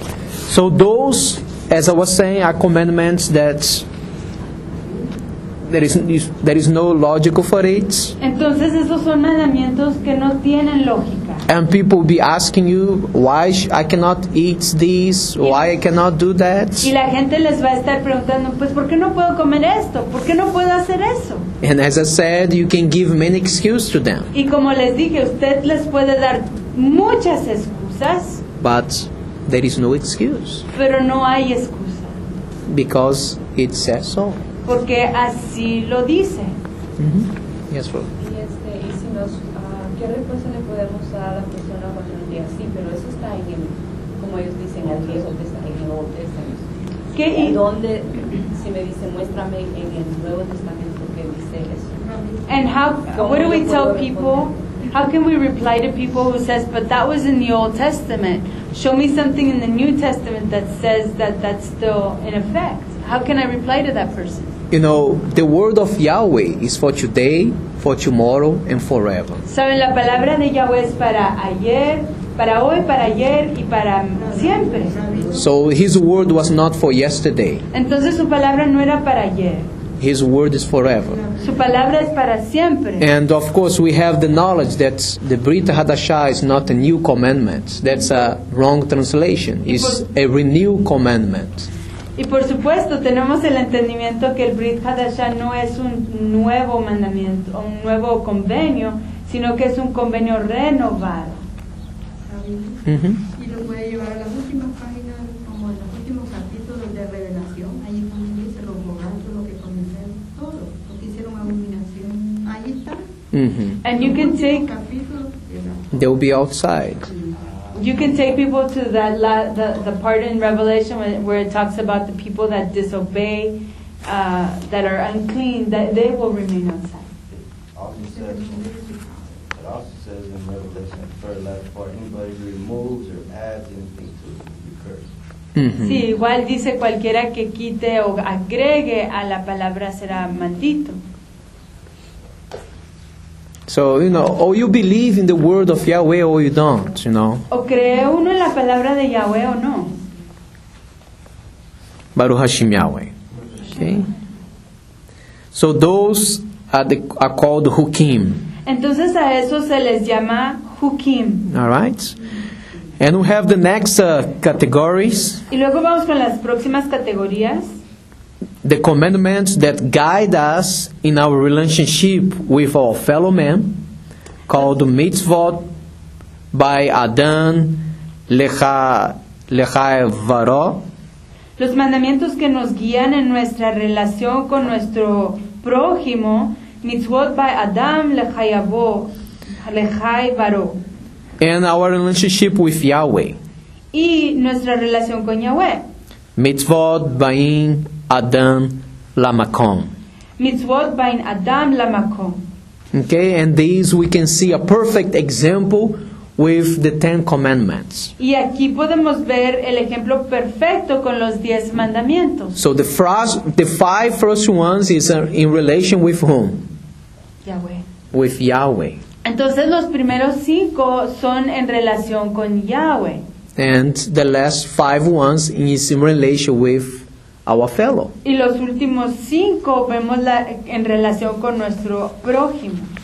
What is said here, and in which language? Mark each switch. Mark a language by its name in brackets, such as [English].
[English] So those, as I was saying, are commandments that There is no logical for it. [Spanish] Entonces esos son mandamientos que no tienen lógica. [English] And people be asking you why I cannot eat this, why I cannot do that. [Spanish] Y la gente les va a estar preguntando, pues ¿por qué no puedo comer esto? ¿Por qué no puedo hacer eso? [English] And as I said, you can give many excuses to them. [Spanish] Y como les dije, usted les puede dar muchas excusas. [English] But there is no excuse. [Spanish] Pero no hay excusa. [English] Because it says so. [Spanish] Porque así lo dice. [English] Mm-hmm. Yes, Rob. [Spanish] ¿Qué respuesta le podemos dar a la persona cuando nos diga, sí, pero eso está ahí en, como ellos dicen, en el Viejo Testamento, en el Nuevo Testamento? ¿Qué? ¿Dónde, si me dice, muéstrame en el Nuevo Testamento qué dice eso? [English] And how, what do we tell people? How can we reply to people who says, but that was in the Old Testament? Show me something in the New Testament that says that that's still in effect. How can I reply to that person? You know, the word of Yahweh is for today, for tomorrow, and forever. [Spanish] Saben, la palabra de Yahweh es para ayer, para hoy, para ayer, y para siempre. [English] So his word was not for yesterday. [Spanish] Entonces su palabra no era para ayer. [English] His word is forever. [Spanish] Su palabra es para siempre. [English] And of course we have the knowledge that the Brit Hadashah is not a new commandment. That's a wrong translation. It's a renewed commandment. [Spanish] Y por supuesto, tenemos el entendimiento que el Brit Hadashah no es un nuevo mandamiento, un nuevo convenio, sino que es un convenio renovado. Y lo puede llevar a las últimas páginas, como en los últimos capítulos de Revelación. Ahí también dice los mogantos, lo que comenzaron todo, lo que hicieron abominación. Ahí está. [English] And you can take... They'll be outside. You can take people to that the part in Revelation where it talks about the people that disobey, that are unclean, that they will remain outside. It also says in Revelation, third last part, anybody who removes or adds anything to it will be cursed. [Spanish] Sí, igual dice cualquiera que quite o agregue a la palabra será maldito. [English] So, you know, or you believe in the word of Yahweh or you don't, you know. [Spanish] O cree uno en la palabra de Yahweh o no. [Hebrew] Baruch Hashem Yahweh. [English] Okay. So those are called hukim. [Spanish] Entonces a eso se les llama hukim. [English] All right. And we have the next categories. [Spanish] Y luego vamos con las próximas categorías. [English] The commandments that guide us in our relationship with our fellow man, called mitzvot by Adán, Lecha Evaró. [Spanish] Los mandamientos que nos guían en nuestra relación con nuestro prójimo, mitzvot by Adam lechai baro. [English] And our relationship with Yahweh. [Spanish] Y nuestra relación con Yahweh. [Hebrew] Mitzvot byin Adam lamakom. Mitzvot byin Adam lamakom. [English] Okay, and these we can see a perfect example with the Ten Commandments. [Spanish] Y aquí podemos ver el ejemplo perfecto con los diez mandamientos. [English] So the five first ones is in relation with whom? Yahweh. With Yahweh. [Spanish] Entonces los primeros cinco son en relación con Yahweh. [English] And the last five ones is in relation with our fellow. [Spanish] Y los últimos cinco vemos la, en relación con nuestro prójimo.